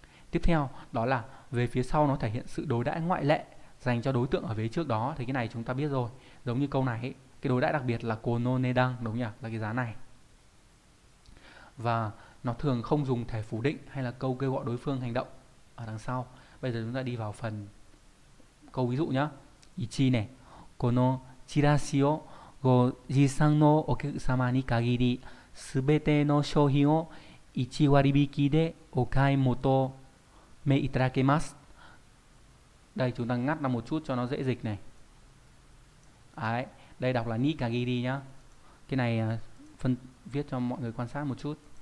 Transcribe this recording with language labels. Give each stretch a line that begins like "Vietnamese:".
Vietnamese: Tiếp theo, đó là về phía sau nó thể hiện sự đối đãi ngoại lệ dành cho đối tượng ở vế trước đó, thì cái này chúng ta biết rồi. Giống như câu này ấy, cái đối đãi đặc biệt là kono nedan, đúng nhỉ? Là cái giá này. Và nó thường không dùng thể phủ định hay là câu kêu gọi đối phương hành động ở đằng sau. Bây giờ chúng ta đi vào phần câu ví dụ nhá.
Japanese: Ichi này, このチラシをご持参のお客様に限り、すべての商品を1割引きでお買い求めいただけます。
Vietnamese: Đây chúng ta ngắt ra một chút cho nó dễ dịch này. Đấy, đây đọc là ni kagi ri nhá. Cái này phân viết cho mọi người quan sát một chút.